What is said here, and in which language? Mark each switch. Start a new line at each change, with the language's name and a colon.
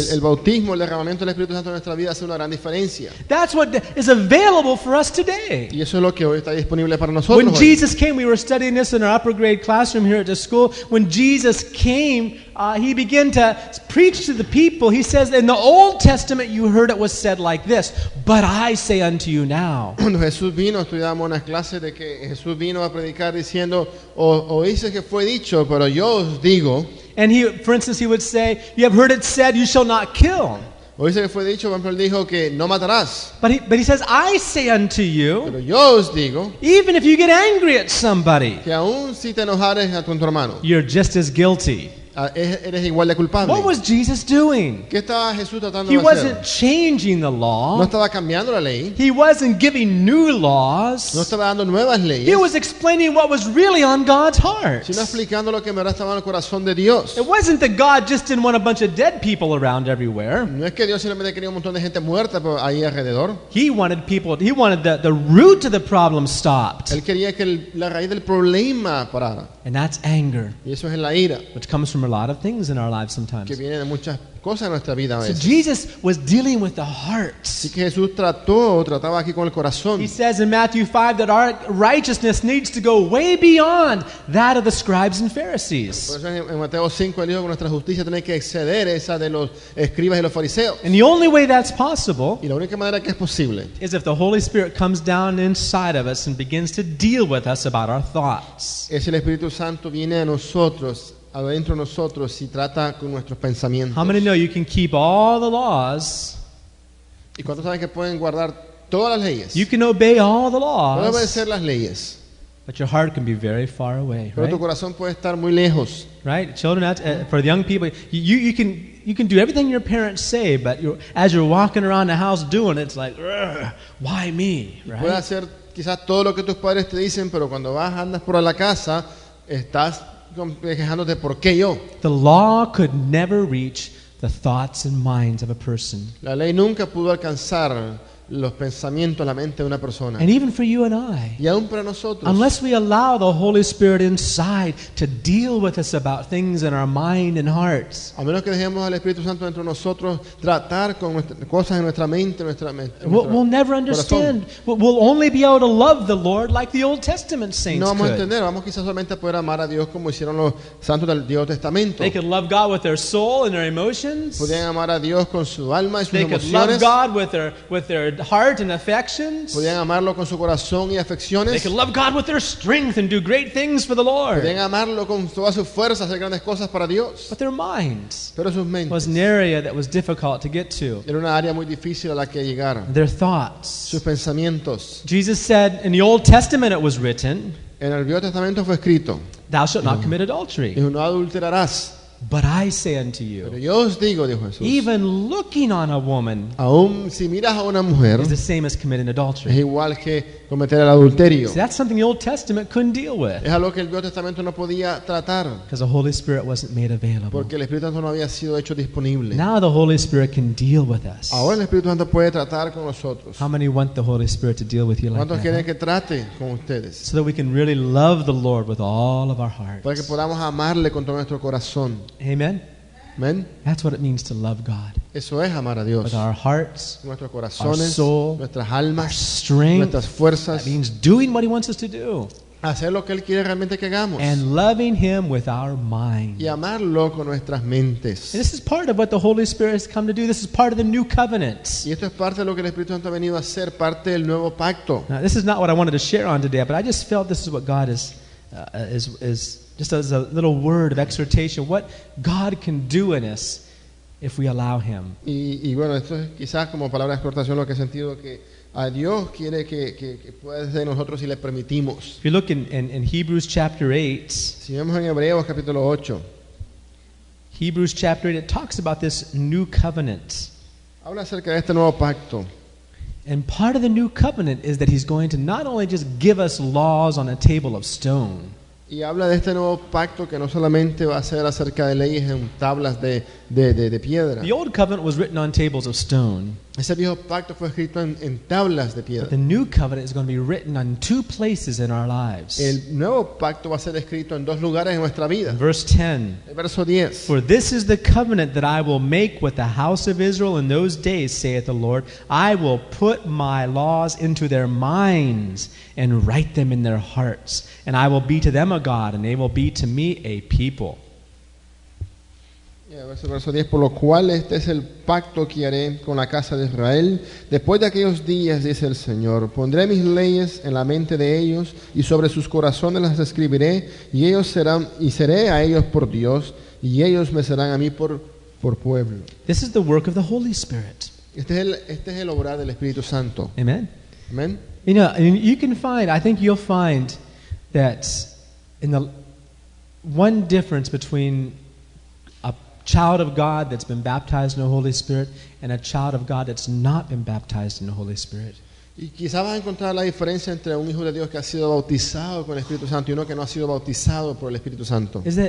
Spanish: El bautismo, el derramamiento del Espíritu Santo en nuestra vida hace una gran diferencia.
English: That's what is available for us today.
Spanish: Y eso es lo que hoy está disponible para nosotros.
English: When Jesus came, we were studying this in our upper grade classroom here at the school. When Jesus came, he began to preach to the people. He says, "In the Old Testament, you heard it was said like this, but I say unto you now."
Spanish: Cuando Jesús vino, estudiamos una clase de que Jesús vino a predicar diciendo, oíste que fue dicho, pero yo os digo.
English: And he, for instance, he would say, "You have heard it said, you shall not kill."
Spanish: Oíste que fue dicho, pero él dijo que no matarás.
English: But he says, "I say unto you."
Spanish: Pero yo os digo.
English: Even if you get angry at somebody,
Spanish: que aun si te enojares a tu hermano,
English: you're just as guilty.
Spanish: Eres igual de culpable.
English: What was Jesus doing?
Spanish: ¿Qué estaba Jesús tratando de hacer?
English: Wasn't changing the law.
Spanish: No estaba cambiando la ley.
English: He wasn't giving new laws.
Spanish: No estaba dando nuevas leyes.
English: He was explaining what was really on God's heart.
Spanish: Sino explicando lo que me estaba en el corazón de Dios.
English: It wasn't that God just didn't want a bunch of dead people around everywhere.
Spanish: No es que Dios simplemente quería un montón de gente muerta ahí alrededor.
English: He wanted people. He wanted the root of the problem stopped.
Spanish: Él quería que la raíz del problema parara.
English: And that's anger.
Spanish: Y eso es la ira.
English: Which comes from a lot of things in our lives sometimes.
Spanish: Que viene de muchas cosas en nuestra vida a veces.
English: So Jesus was dealing with the heart.
Spanish: Así que Jesús trató, trataba aquí con el corazón.
English: He says in Matthew 5 that our righteousness needs to go way beyond that of the scribes and Pharisees.
Spanish: En Mateo 5 él dijo que nuestra justicia tiene que exceder esa de los escribas y los fariseos.
English: And the only way that's possible,
Spanish: y la única manera que es posible,
English: is if the Holy Spirit comes down inside of us and begins to deal with us about our thoughts.
Spanish: Es el Espíritu Santo viene a nosotros. Adentro nosotros si trata con nuestros pensamientos.
English: How many know you can keep all the laws?
Spanish: ¿Y cuántos saben que pueden guardar todas las leyes?
English: You can obey all the laws.
Spanish: Pueden obedecer las leyes.
English: But your heart can be very far away, right?
Spanish: Pero tu corazón puede estar muy lejos.
English: Right? Children, for the young people, you can do everything your parents say, but as you're walking around the house doing it, it's like, why me? Right?
Spanish: Puedes hacer quizás todo lo que tus padres te dicen, pero cuando vas andas por la casa, estás quejándote, ¿por qué yo?
English: The law could never reach the thoughts and minds of a person.
Spanish: La ley nunca pudo alcanzar los pensamientos, la mente de una persona.
English: And even for you and I,
Spanish: y aún para nosotros,
English: unless we allow the Holy Spirit inside to deal with us about things in our mind and hearts,
Spanish: a menos que dejemos al Espíritu Santo dentro de nosotros tratar con cosas en nuestra mente,
English: we'll never understand. We'll only be able to love the Lord like the Old Testament saints could.
Spanish: No vamos a entender. Vamos quizás solamente a poder amar a Dios como hicieron los santos del Antiguo Testamento.
English: They could love God with their soul and their emotions.
Spanish: Podían amar a Dios con su alma y sus
English: they
Spanish: emociones.
English: They could love God with their heart and affections.
Spanish: Podían amarlo con su corazón y afecciones.
English: They could love God with their strength and do great things for the Lord.
Spanish: Podían amarlo con toda su fuerza, hacer grandes cosas para Dios.
English: But their minds.
Spanish: Pero sus mentes.
English: Was an area that was difficult to get to.
Spanish: Era una área muy difícil a la que llegar.
English: Their thoughts.
Spanish: Sus pensamientos.
English: Jesus said in the Old Testament it was written.
Spanish: En el Viejo Testamento fue escrito.
English: Thou shalt not commit adultery.
Spanish: Y no adulterarás.
English: But I say unto you,
Spanish: pero yo os digo, dijo Jesús,
English: even looking on a woman,
Spanish: aun si miras a una mujer,
English: is the same as committing adultery.
Spanish: Es igual que cometer el adulterio.
English: See, that's something the Old Testament couldn't deal with.
Spanish: Es algo que el Viejo Testamento no podía tratar.
English: Because the Holy Spirit wasn't made available.
Spanish: Porque el Espíritu Santo no había sido hecho disponible.
English: Now the Holy Spirit can deal with us.
Spanish: Ahora el Espíritu Santo puede tratar con nosotros.
English: How many want the Holy Spirit to deal with you like that?
Spanish: ¿Cuántos quieren que trate con ustedes?
English: So that we can really love the Lord with all of our hearts.
Spanish: Para que podamos amarle con todo nuestro corazón.
English: Amen.
Spanish: Amen.
English: That's what it means to love God.
Spanish: Eso es amar a Dios.
English: With our hearts,
Spanish: nuestros corazones,
English: our soul,
Spanish: nuestras almas,
English: our strength,
Spanish: nuestras fuerzas.
English: That means doing what He wants us to do.
Spanish: Hacer lo que Él quiere realmente que hagamos.
English: And loving Him with our mind.
Spanish: Y amarlo con nuestras mentes.
English: And this is part of what the Holy Spirit has come to do. This is part of the new covenant.
Spanish: Y esto es parte de lo que el Espíritu Santo ha venido a hacer, parte del nuevo pacto.
English: Now, this is not what I wanted to share on today, but I just felt this is what God is just as a little word of exhortation, what God can do in us if we allow him.
Spanish: Y bueno, esto es quizás como palabra de exhortación lo que he sentido que a Dios quiere que pueda ser nosotros si le permitimos.
English: If you look in Hebrews chapter 8,
Spanish: si vemos en Hebreos capítulo 8,
English: Hebrews chapter 8, it talks about this new covenant.
Spanish: Habla acerca de este nuevo pacto.
English: And part of the new covenant is that he's going to not only just give us laws on a table of stone.
Spanish: Y habla de este nuevo pacto que no solamente va a ser acerca de leyes en tablas de piedra.
English: The old covenant was written on tables of stone.
Spanish: Ese viejo pacto fue escrito en tablas de piedra.
English: But the new covenant is going to be written on two places in our lives.
Spanish: El nuevo pacto va a ser escrito en dos lugares en nuestra vida.
English: Verse 10.
Spanish: El verso 10.
English: For this is the covenant that I will make with the house of Israel in those days, saith the Lord. I will put my laws into their minds and write them in their hearts. And I will be to them a God, and they will be to me a people.
Spanish: Verso 10, por lo cual este es el pacto que haré con la casa de Israel. Después de aquellos días, dice el Señor, pondré mis leyes en la mente de ellos y sobre sus corazones las escribiré y ellos serán y seré a ellos por Dios y ellos me serán a mí por pueblo.
English: This is the work of the Holy Spirit.
Spanish: Este es el obrar del Espíritu Santo.
English: Amen.
Spanish: Amen.
English: You know, you can find, I think you'll find that in the one difference between child of God that's been baptized in the Holy Spirit and a child of God that's not been baptized in the Holy Spirit.
Spanish: Y quizás vas a encontrar la diferencia entre un hijo de Dios que ha sido bautizado con el Espíritu Santo y uno que no ha sido bautizado por el Espíritu Santo.